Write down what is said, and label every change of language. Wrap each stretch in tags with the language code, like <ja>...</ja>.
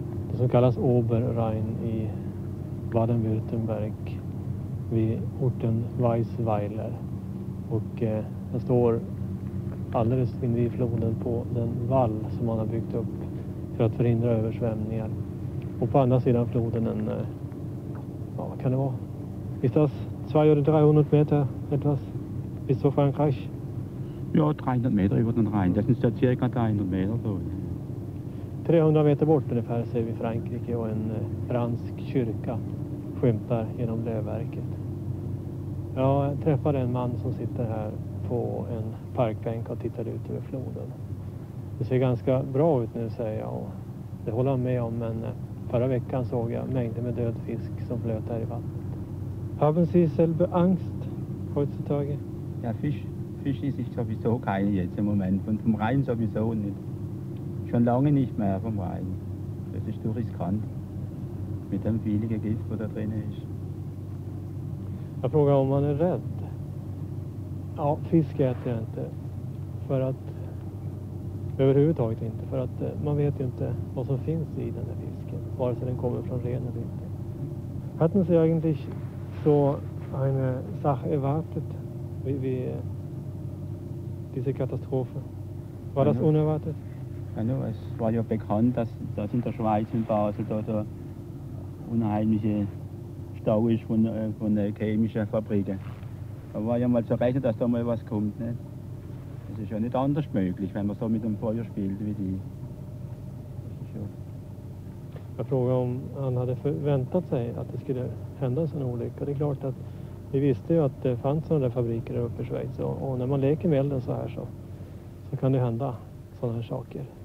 <sv>Det som kallas Oberrhein i Baden-Württemberg vid orten Weisweiler. Och jag står alldeles invid floden på den vall som man har byggt upp för att förhindra översvämningar. Och på andra sidan floden en, ja, vad kan det vara?</sv> <de>Ist das 200-300 Meter etwas bis zu Frankreich? Ja, 300 Meter über den Rhein. Das ist ja circa 300 Meter.</de> <sv>300 meter bort ungefär ser vi Frankrike och en fransk kyrka skymtar genom lövverket. Jag träffade en man som sitter här på en parkbänk och tittar ut över floden. Det ser ganska bra ut nu, säger jag. Och det håller han med om, men förra veckan såg jag mängder med död fisk som flöt här i vattnet.</sv> <de>Haben Sie selber Angst heutzutage? Ja, Fisch ist ich sowieso keine jetzt im Moment. Und vom Rhein sowieso nicht. Schon lange nicht mehr vom Rhein. Das ist doch riskant. Mit dem vielen Gift, wo da drin ist.</de> <sv>Jag frågar om man är rädd. Ja, fisk äter jag inte. För att... Överhuvudtaget inte. För att man vet ju inte vad som finns i den där fisken. Vare sig den kommer från ren eller inte.</sv> <de>Hatten Sie eigentlich so eine Sache erwartet? Wie diese Katastrophe? War das unerwartet? Ja, nur, es war ja bekannt, dass in der Schweiz in Basel da so unheimliche Stau ist von der chemischen Fabriken. Da war ja mal zu rechnen, dass da mal was kommt. Ne? Das ist ja nicht anders möglich, wenn man so mit dem Feuer spielt wie die. Ja.</de> <sv>Jag frågade om han hade förväntat sig att det skulle hända en sån olycka. Det är klart att vi visste ju att det fanns sådana där fabriker uppe i Schweiz. Och när man leker med elden så här så kan det hända sådana här saker.</sv>